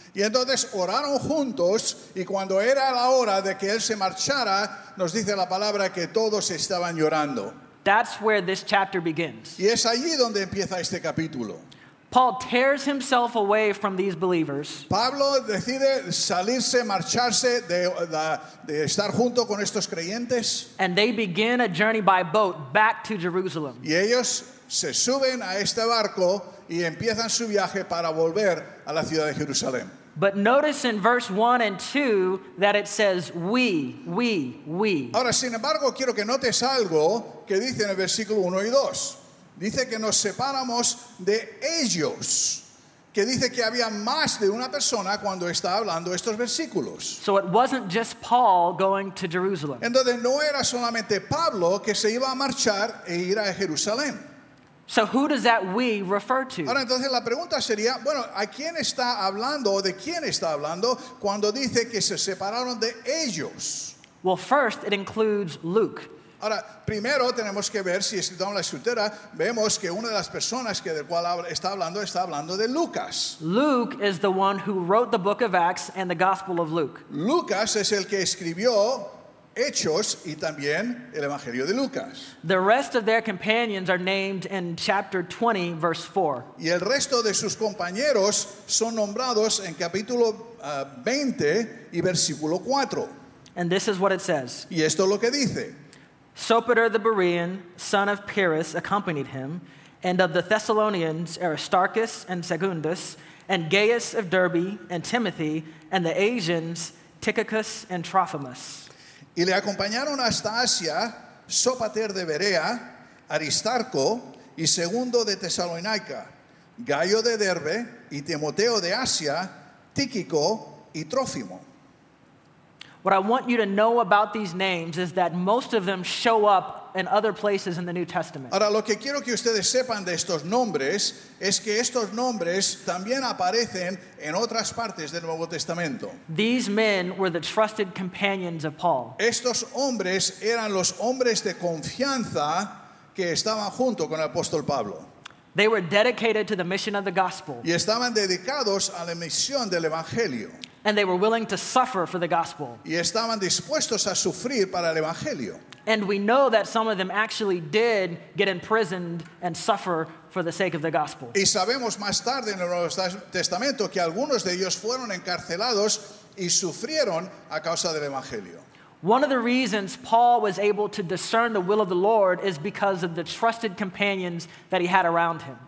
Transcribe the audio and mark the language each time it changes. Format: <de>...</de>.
<es>Y entonces oraron juntos, y cuando era la hora de que él se marchara, nos dice la palabra que todos estaban llorando.</es> <en>That's where this chapter begins.</en> <es>Y es allí donde empieza este capítulo.</es> <en>Paul tears himself away from these believers.</en> <es>Pablo decide salirse, marcharse de estar junto con estos creyentes.</es> <en>And they begin a journey by boat back to Jerusalem.</en> <es>Y ellos se suben a este barco y empiezan su viaje para volver a la ciudad de Jerusalén.</es> <en>But notice in verse 1 and 2 that it says we.</en> <es>Ahora, sin embargo, quiero que notes algo que dice en el versículo 1 y 2. Dice que nos separamos de ellos. Que dice que había más de una persona cuando está hablando estos versículos.</es> <en>So it wasn't just Paul going to Jerusalem.</en> <es>Entonces no era solamente Pablo que se iba a marchar e ir a Jerusalén.</es> <en>So who does that we refer to?</en> <es>Ahora entonces la pregunta sería, bueno, ¿a quién está hablando o de quién está hablando cuando dice que se separaron de ellos?</es> <en>Well, first it includes Luke.</en> <es>Ahora, primero tenemos que ver si estudiamos la escritura, vemos que una de las personas que del cual está hablando de Lucas.</es> <en>Luke is the one who wrote the book of Acts and the Gospel of Luke.</en> <es>Lucas es el que escribió Hechos y también el Evangelio de Lucas.</es> <en>The rest of their companions are named in chapter 20, verse 4.</en> <es>Y el resto de sus compañeros son nombrados en capítulo 20 y versículo 4.</es> <en>And this is what it says.</en> <es>Y esto es lo que dice.</es> <en>Sopater the Berean, son of Pyrrhus, accompanied him, and of the Thessalonians, Aristarchus and Secundus, and Gaius of Derbe and Timothy, and the Asians, Tychicus and Trophimus.</en> <es>Y le acompañaron hasta Asia Sopater de Berea, Aristarco y Segundo de Tesalónica, Gaio de Derbe y Timoteo de Asia, Tíquico y Trófimo.</es> <en>What I want you to know about these names is that most of them show up in other places in the New Testament.</en> <es>Ahora, lo que quiero que ustedes sepan de estos nombres es que estos nombres también aparecen en otras partes del Nuevo Testamento.</es> <en>These men were the trusted companions of Paul.</en> <es>Estos hombres eran los hombres de confianza que estaban junto con el apóstol Pablo.</es> <en>They were dedicated to the mission of the gospel.</en> <es>Y estaban dedicados a la misión del evangelio.</es> <en>And they were willing to suffer for the gospel.</en> <es>Y estaban dispuestos a sufrir para el evangelio.</es> <en>And we know that some of them actually did get imprisoned and suffer for the sake of the gospel.</en> <es>Y sabemos más tarde en el Nuevo Testamento que algunos de ellos fueron encarcelados y sufrieron a causa del evangelio.</es> <en>One of the reasons Paul was able to discern the will of the Lord is because of the trusted companions that he had around him.</en>